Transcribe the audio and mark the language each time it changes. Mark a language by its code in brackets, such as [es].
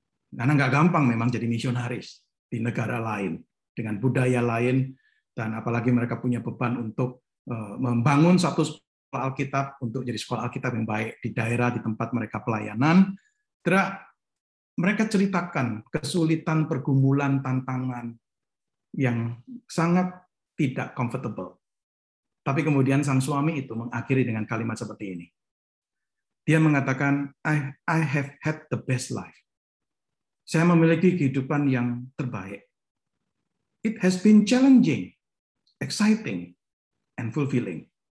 [id] Karena nggak gampang memang jadi misionaris di negara lain, dengan budaya lain, dan apalagi mereka punya beban untuk membangun satu sekolah Alkitab, untuk jadi sekolah Alkitab yang baik di daerah, di tempat mereka pelayanan. Terus mereka ceritakan kesulitan, pergumulan, tantangan yang sangat tidak comfortable. Tapi kemudian sang suami itu mengakhiri dengan kalimat seperti ini. Dia mengatakan, [en] I have had the best life. [id] Saya memiliki kehidupan yang terbaik. [en] It has been challenging, exciting, and fulfilling.